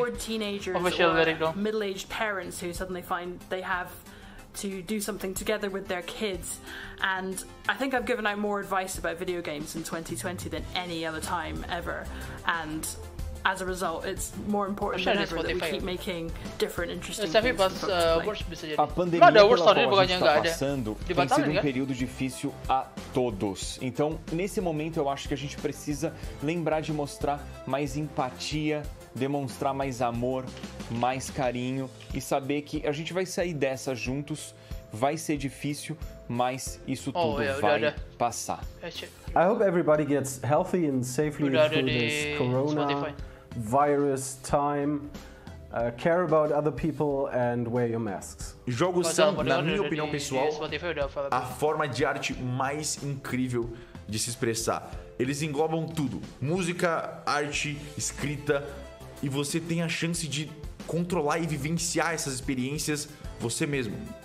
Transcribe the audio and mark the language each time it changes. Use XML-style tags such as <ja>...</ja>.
<en>Bored teenagers official or middle-aged parents who suddenly find they have to do something together with their kids, and I think I've given out more advice about video games in 2020 than any other time ever, and as a result it's more important than ever that we keep making different interesting things.</en> <pt>A pandemia pela qual a gente está passando tem sido um período difícil a todos, então nesse momento eu acho que a gente precisa lembrar de mostrar mais empatia, demonstrar mais amor, mais carinho e saber que a gente vai sair dessa juntos. Vai ser difícil, mas isso tudo vai passar.</pt> <en>I hope everybody gets healthy and safely through this coronavirus time. Care about other people and wear your masks.</en> <pt>Jogos são, na minha opinião pessoal, a forma de arte mais incrível de se expressar. Eles englobam tudo: música, arte, escrita. E você tem a chance de controlar e vivenciar essas experiências você mesmo.</pt>